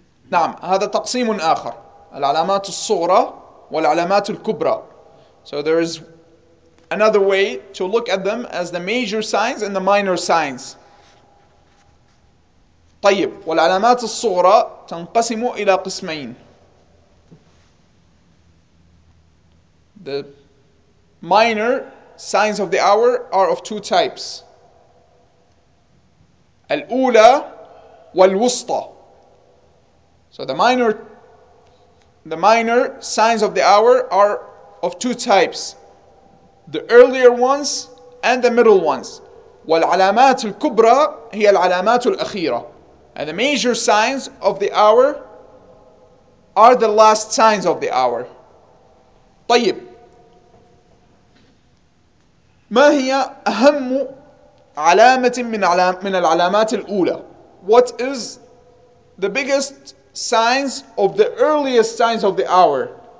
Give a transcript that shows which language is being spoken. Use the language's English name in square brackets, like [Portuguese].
[Arabic] نعم هذا تقسيم آخر العلامات الصغرى والعلامات الكبرى. [English] So there is another way to look at them as the major signs and the minor signs. [Arabic] طيب والعلامات الصغرى تنقسم إلى قسمين. [English] The minor signs of the hour are of two types. [Arabic] الأولى والوسطى. [English] So the minor signs of the hour are of two types. The earlier ones and the middle ones. [Arabic] والعلامات الكبرى هي العلامات الأخيرة. [English] And the major signs of the hour are the last signs of the hour. [Arabic] طيب ما هي أهم علامة من العلامات الأولى؟ [English] What is the biggest signs of the earliest signs of the hour?